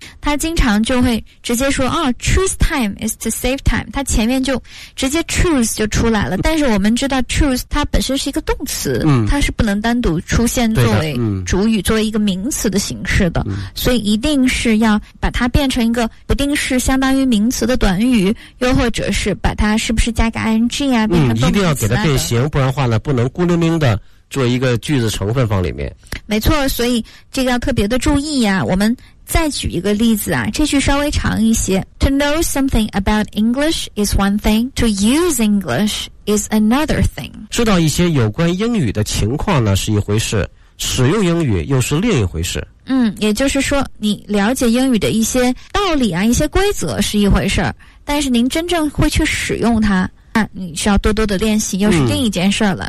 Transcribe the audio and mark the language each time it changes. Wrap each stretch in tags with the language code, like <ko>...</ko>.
<zh>他经常就会直接说</zh> <en>choose time is to save time，</en> <zh>他前面就直接 choose 就出来了。但是我们知道 choose 它本身是一个动词，它是不能单独出现作为主语，作为一个名词的形式的，所以一定是要把它变成一个不定式相当于名词的短语，又或者是把它是不是加个 ing 啊，变成动词、一定要给它变形，不然的话呢不能孤零零的做一个句子成分放里面。没错，所以这个要特别的注意啊。我们再举一个例子啊，这句稍微长一些。</zh> <en>To know something about English is one thing, to use English is another thing。</en> <zh>知道一些有关英语的情况呢是一回事，使用英语又是另一回事。也就是说你了解英语的一些道理啊，一些规则是一回事，但是您真正会去使用它，你需要多多的练习又是另一件事了。</zh>